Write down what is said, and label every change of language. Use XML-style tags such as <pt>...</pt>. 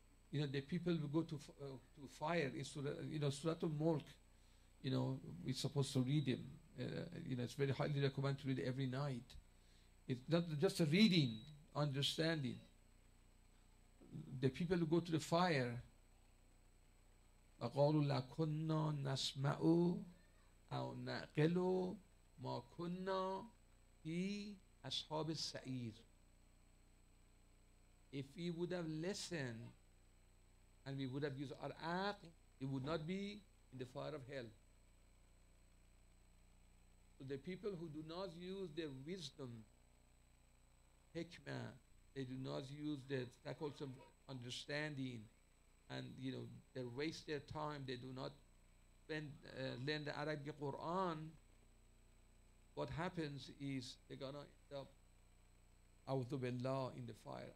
<en>You know, the people will go to fire in Surah Al-Mulk. You know, we're supposed to read him. You know, it's very highly recommended to read every night. It's not just a reading, understanding. The people who go to the fire,</en> <ar>وَقَالُوا لَكُنَّا نَسْمَعُوا أَوْ نَعْقِلُوا مَا كُنَّا فِي أَصْحَابِ السَّعِيرِ.</ar> <en>If we would have listened and we would have used our aql, it would not be in the fire of hell. So the people who do not use their wisdom, hikmah, they do not use their faculty of understanding, and you know, they waste their time, they do not learn the Arabic Quran, what happens is they're gonna end up a'udhu billah in the fire.</en>